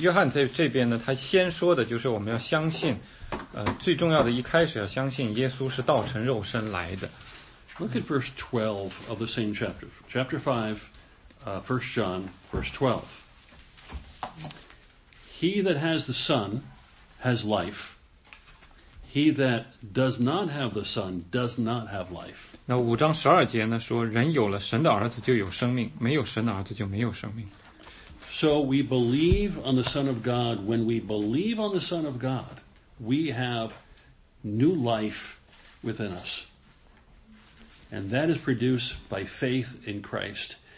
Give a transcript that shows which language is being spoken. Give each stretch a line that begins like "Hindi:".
Chinese: 所以第一，我们先回到那个约翰一书的五章那个部分啊。所以他约翰这边呢，他先说的就是我们要相信。最重要的一开始要相信耶稣是道成肉身来的。
English: Look at verse 12 of the same chapter. Chapter 5, 1 John, verse 12. He that has the Son has life. He that does not have the Son does not have life.
Chinese: 那五章十二节呢说人有了神的儿子就有生命，没有神的儿子就没有生命。
English: So we believe on the Son of God. When we believe on the Son of God, we have new life within us. And that is produced by faith in Christ.